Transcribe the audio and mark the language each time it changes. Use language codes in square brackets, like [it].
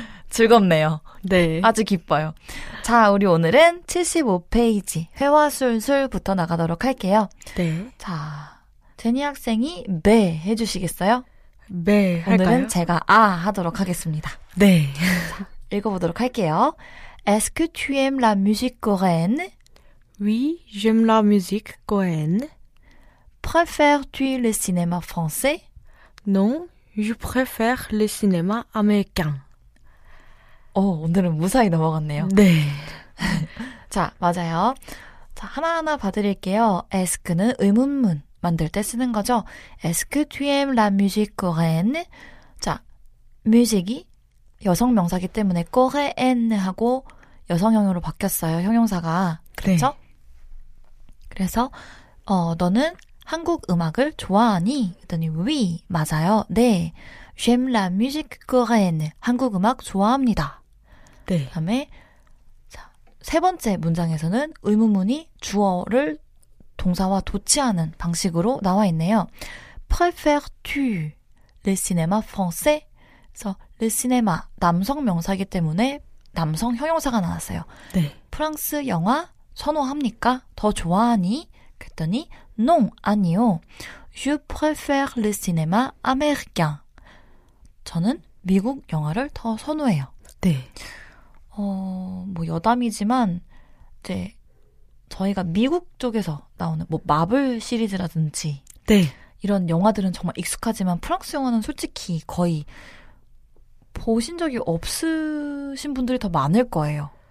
[ko] 즐겁네요. 네. 아주 기뻐요. 자, 우리 오늘은 75페이지 회화술술부터 나가도록 할게요. 네. 자, 제니 학생이 네 해주시겠어요? 네, 할까요? 오늘은 제가 아 하도록 하겠습니다. 네. 자, 읽어보도록 할게요. [fr] Est-ce que tu aimes la musique coréenne? Oui, j'aime la musique coréenne. Préfères-tu le cinéma français? Non, je préfère le cinéma américain. [ko] 오, 오늘은 무사히 넘어갔네요. 네. 자, 맞아요. 자, 하나하나 봐드릴게요. Est-ce는 의문문 만들 때 쓰는 거죠. [fr] Est-ce que tu aimes la musique coréenne? [ko] 자, musique이 여성 명사기 때문에 coréenne 하고 여성형으로 바뀌었어요. 형용사가. 그렇죠? 네. 그래서 너는 한국 음악을 좋아하니? 그랬더니 oui, 맞아요. 네. [fr] J'aime la musique coréenne. [ko] 한국 음악 좋아합니다. 네. 그다음에 자, 세 번째 문장에서는 의문문이 주어를 동사와 도치하는 방식으로 나와 있네요. [fr] Préfères tu le cinéma français? [ko] 그래서 le cinéma 남성 명사이기 때문에 남성 형용사가 나왔어요. 네. 프랑스 영화 선호합니까? 더 좋아하니? 그랬더니 non, 아니요. [fr] Je préfère le cinéma américain. [ko] 저는 미국 영화를 더 선호해요. 네. 뭐 여담이지만 이제 저희가 미국 쪽에서 나오는 뭐 마블 시리즈라든지 네. 이런 영화들은 정말 익숙하지만 프랑스 영화는 솔직히 거의 보신 적이 없으신 분들이 더 많을 거예요.